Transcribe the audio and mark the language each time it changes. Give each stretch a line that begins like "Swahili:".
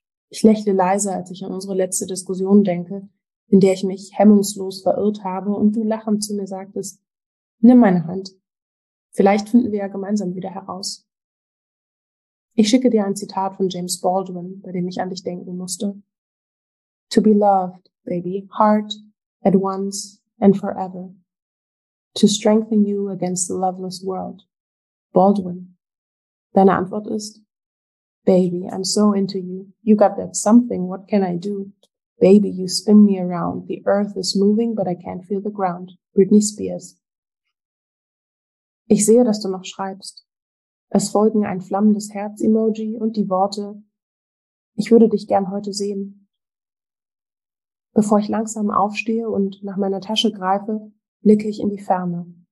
German: Ich lächle leise, als ich an unsere letzte Diskussion denke, in der ich mich hemmungslos verirrt habe und du lachend zu mir sagtest, nimm meine Hand. Vielleicht finden wir ja gemeinsam wieder heraus. Ich schicke dir ein Zitat von James Baldwin, bei dem ich an dich denken musste.
English: To be loved, baby, heart, at once and forever. To strengthen you against the loveless world. Baldwin.
German: Deine Antwort ist,
English: baby, I'm so into you. You got that something, what can I do? Baby, you spin me around. The earth is moving, but I can't feel the ground. Britney Spears.
German: Ich sehe, dass du noch schreibst. Es folgen ein flammendes Herz-Emoji und die Worte, ich würde dich gern heute sehen. Bevor ich langsam aufstehe und nach meiner Tasche greife, blicke ich in die Ferne.